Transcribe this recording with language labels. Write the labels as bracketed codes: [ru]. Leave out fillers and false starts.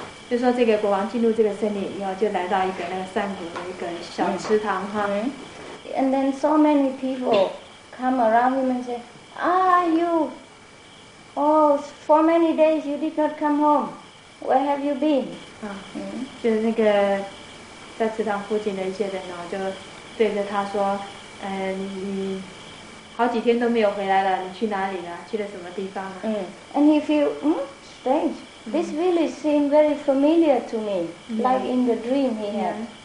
[zh] 就说这个国王进入这个森林以后，就来到一个那个山谷的一个小池塘哈。 [en] And then so many people come around him and say, "Ah, you! Oh, for many days you did not come home. Where have you been?" [zh] 就是那个在池塘附近的一些人哦，就对着他说。你好几天都没有回来了，你去哪里了？去了什么地方啊？ [en] And he feel strange. This village seemed very familiar to me, like in the dream he had.